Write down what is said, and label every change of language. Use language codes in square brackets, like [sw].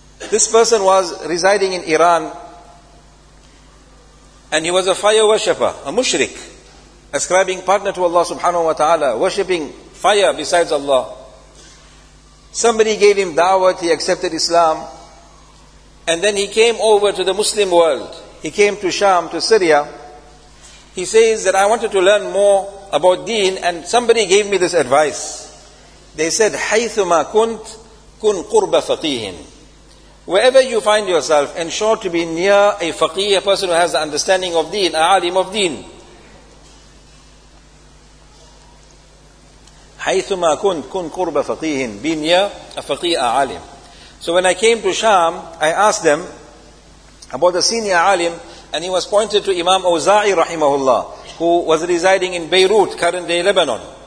[en] This person was residing in Iran, and he was a fire worshipper, a mushrik, ascribing partner to Allah subhanahu wa ta'ala, worshipping fire besides Allah. Somebody gave him da'wah, he accepted Islam, and then he came over to the Muslim world. He came to Sham, to Syria. He says that I wanted to learn more about deen, and somebody gave me this advice. They said, [ar] حَيْثُمَا كُنْتْ كُنْ قُرْبَ فَقِيهٍ. [en] Wherever you find yourself, ensure to be near a faqih, a person who has the understanding of deen, a alim of deen. [ar] حَيْثُمَا كُنْتْ كُنْ قُرْبَ فَقِيهٍ. [en] Be near a faqih, a alim. So when I came to Sham, I asked them about the senior alim, and he was pointed to Imam Auza'i rahimahullah, who was residing in Beirut, current day Lebanon.